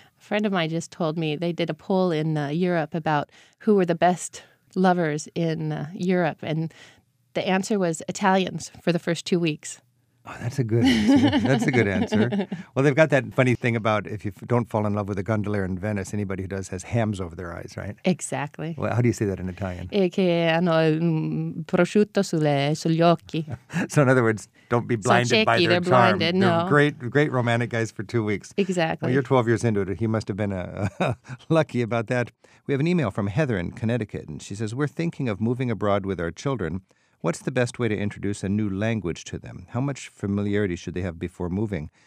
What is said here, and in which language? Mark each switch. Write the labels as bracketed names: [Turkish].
[English] A friend of mine just told me they did a poll in Europe about who were the best lovers in Europe, and the answer was Italians for the first 2 weeks. Oh, that's a good answer. That's a good answer. Well, they've got that funny thing about if you don't fall in love with a gondolier in Venice, anybody who does has hams over their eyes, right? Exactly. Well, how do you say that in Italian? [Italian] E che hanno prosciutto sugli occhi. [English] So in other words, don't be blinded so checky, by their they're charm. Blinded, they're no. Great, great romantic guys for 2 weeks. Exactly. Well, you're 12 years into it. He must have been lucky about that. We have an email from Heather in Connecticut, and she says, we're thinking of moving abroad with our children. What's the best way to introduce a new language to them? How much familiarity should they have before moving?